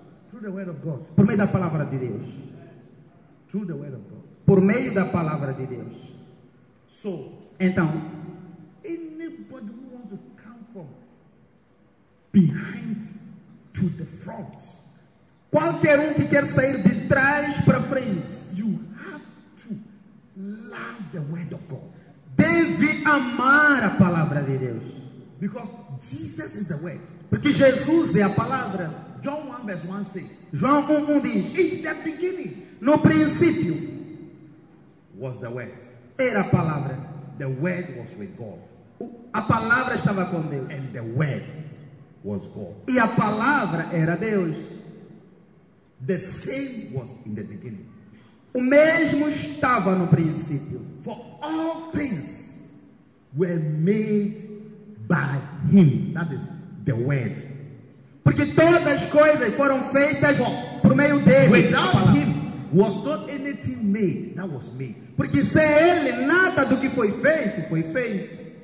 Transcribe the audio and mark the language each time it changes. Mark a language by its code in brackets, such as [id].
[en] Through the word of God. [pt] Por meio da palavra de Deus. [en] Through the word of God. [pt] Por meio da palavra de Deus. [en] So, [pt] então, [en] anybody who wants to come from behind to the front. [pt] Qualquer que quer sair de trás para frente. [en] You have to love the word of God. [pt] Deve amar a palavra de Deus. [en] Because Jesus is the word. [pt] Porque Jesus é a palavra. [en] John 1 verse 1 says. [pt] João 1:1 diz. [en] In the beginning. [pt] No princípio. [en] Was the word. [pt] Era a palavra. [en] The word was with God. [pt] A palavra estava com Deus. [en] And the word was God. [pt] E a palavra era Deus. [en] The same was in the beginning. [pt] O mesmo estava no princípio. [en] For all things were made by him. That is the word. [pt] Porque todas as coisas foram feitas por meio dele. [en] Without him was not anything made that was made. [pt] Porque sem ele nada do que foi feito foi feito.